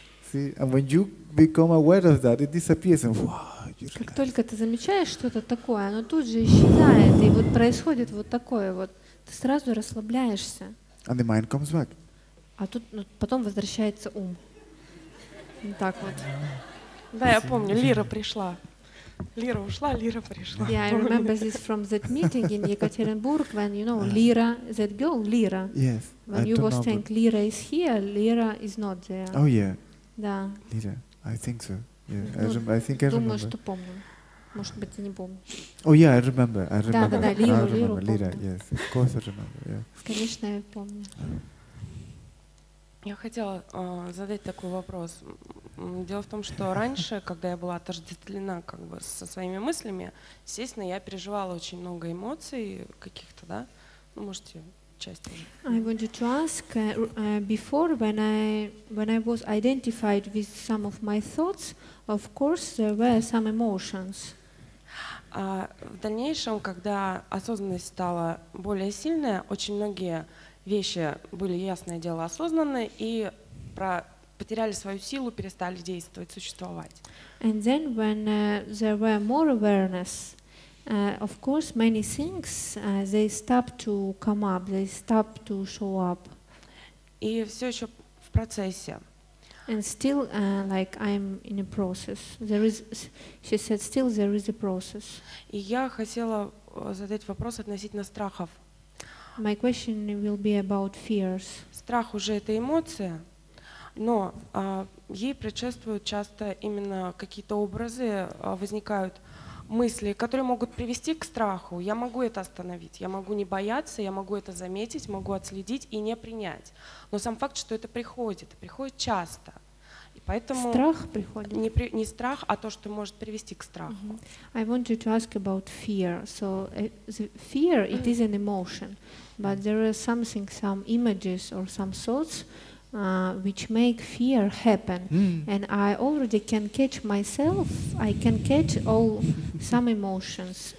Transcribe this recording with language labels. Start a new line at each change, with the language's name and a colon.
English: See, and when you become aware of that, it disappears. And
Russian: как только ты замечаешь что-то такое, оно тут же исчезает, и вот происходит вот такое вот. Ты сразу расслабляешься.
English: And the mind comes back.
Russian: А тут потом возвращается ум. Так вот. Да, я помню, Лира пришла. Лира ушла, Лира пришла.
English: Yeah, I remember this from that meeting in Yekaterinburg when, you know, Lira, that girl, Lira. Yes. When I you was saying Lira is here, Lira is not there. Oh yeah.
Russian: Да.
English: Lira, I think so. Yeah. Ну, I think I remember.
Russian: Думаю, что помню. Может быть, я не помню.
English: Oh yeah, I remember.
Russian: Да, да, да, Лиру помню.
English: Lira, yes. Of course I remember. Yeah.
Russian: Конечно, я помню. Я хотела задать такой вопрос. Дело в том, что раньше, когда я была отождествлена как бы со своими мыслями, естественно, я переживала очень много эмоций каких-то, да? Ну, можете часть уже.
English: I wanted to ask, before, when I was identified with some of my thoughts, of course, there were some emotions.
Russian: В дальнейшем, когда осознанность стала более сильная, очень многие вещи были, ясное дело, осознаны и потеряли свою силу, перестали действовать, существовать.
English: And then when there were more awareness, of course, many things they stopped to come up, they stopped to show up.
Russian: И все еще в процессе.
English: And still, like I'm in a process. There is, she said, still there is a process.
Russian: И я хотела задать вопрос относительно страхов.
English: My question will be about fears.
Russian: Страх уже это эмоция, но ей предшествуют часто именно какие-то образы, возникают мысли, которые могут привести к страху. Я могу это остановить, я могу не бояться, я могу это заметить, могу отследить и не принять. Но сам факт, что это приходит, приходит часто. И поэтому страх приходит. Не страх, а то, что может привести к страху.
English: Mm-hmm. I wanted to ask about fear. So the fear, it is an emotion, but there are something, some images or some thoughts which make fear happen. Mm. And I already can catch myself, I can catch all some emotions.